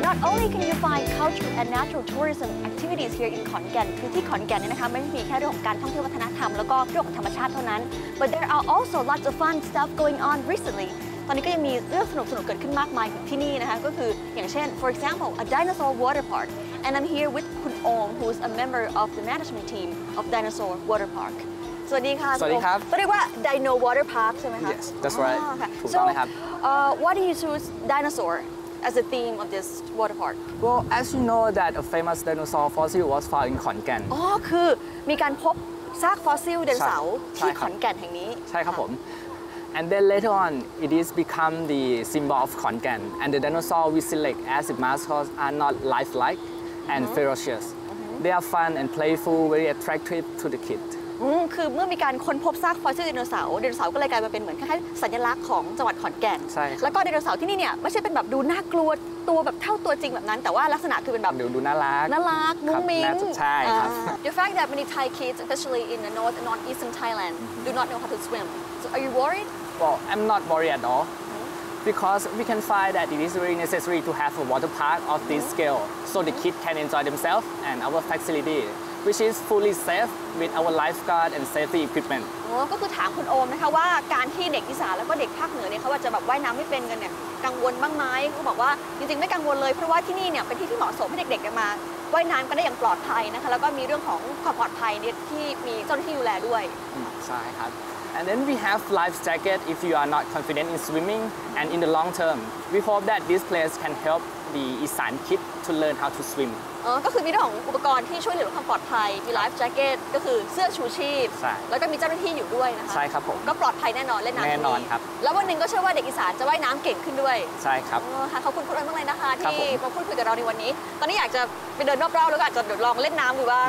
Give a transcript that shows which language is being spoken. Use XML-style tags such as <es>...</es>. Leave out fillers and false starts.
<en>tourism activities here in Khon Kaen คือที่ขอนแก่นนี่นะคะไม่ได้มีแค่เรื่องของการท่องเที่ยววัฒนธรรมแล้วก็เรื่องของธรรมชาติเท่านั้น but there are also lots of fun stuff going on recently ตอนนี้ก็ยังมีเรื่องสนุกๆเกิดขึ้นมากมายที่นี่นะคะก็คืออย่างเช่น for example a dinosaur water park and I'm here with คุณองค์ who's a member of the management team of dinosaur water park สวัสดีค่ะ</en> <th>สวัสดีครับ เรียกว่า dino water park ใช่ไหมคะ</th> <en>yes that's right ถูกต้องครับ why do you choose dinosaur as a theme of this water park well as you know that a famous dinosaur fossil was found in Khon Kaen</en> <th>อ๋อคือมีการพบซากฟอสซิลไดโนเสาร์ที่ขอนแก่นแห่งนี้</th> <en>ใช่ครับผม And then later on, it is become the symbol of Khon Kaen. And the dinosaur we select as the mascots are not lifelike and ferocious. Mm-hmm. They are fun and playful, very attractive to the kid.</en> <th>คือเมื่อมีการค้นพบซากฟอสซิลไดโนเสาร์ไดโนเสาร์ก็เลยกลายมาเป็นเหมือนคล้ายๆสัญลักษณ์ของจังหวัดขอนแก่น ใช่ แล้วก็ไดโนเสาร์ที่นี่เนี่ยไม่ใช่เป็นแบบดูน่ากลัวตัวแบบเท่าตัวจริงแบบนั้นแต่ว่าลักษณะคือเป็นแบบ ดูน่ารัก น่ารักมุ้งมิ้ง ใช่ครับ</th> <en>The fact that many Thai kids especially in the north and northeastern Thailand do not know how to swim so are you worried Well I'm not worried at all because we can find that it is really necessary to have a water park of this scale so the kid can enjoy themselves and our facilityWhich is fully safe with our lifeguard and safety equipment.</en> <th>ก็คือถามคุณโอมนะคะว่าการที่เด็กอีสานแล้วก็เด็กภาคเหนือเนี่ยเขาจะแบบว่ายน้ำไม่เป็นกันเนี่ยกังวลบ้างไหมเขาบอกว่าจริงๆไม่กังวลเลยเพราะว่าที่นี่เนี่ยเป็นที่ที่เหมาะสมให้เด็กๆมาว่ายน้ำกันได้อย่างปลอดภัยนะคะแล้วก็มีเรื่องของความปลอดภัยที่มีเจ้าหน้าที่ดูแลด้วย</th> <en>ใช่ครับ And then we have life jacket if you are not confident in swimming and in the long term we hope that this place can help the Isan kid to learn how to swim.</en> <th>ก็คือมีเรื่องของอุปกรณ์ที่ช่วยเหลือความปลอดภัยมีไลฟ์แจ็คเก็ตก็คือเสื้อชูชีพแล้วก็มีเจ้าหน้าที่อยู่ด้วยนะคะ ใช่ครับผม ก็ปลอดภัยแน่นอนเล่นน้ำ แน่นอนครับ แล้ววันนึงก็เชื่อว่าเด็กอีสานจะว่ายน้ําเก่งขึ้นด้วย ใช่ครับ ขอบคุณคุณอ้อยมากเลยนะคะที่มาพูดคุยกับเราในวันนี้ตอนนี้อยากจะไปเดินรอบๆแล้วก็อาจจะลองเล่นน้ําดูบ้าง</th>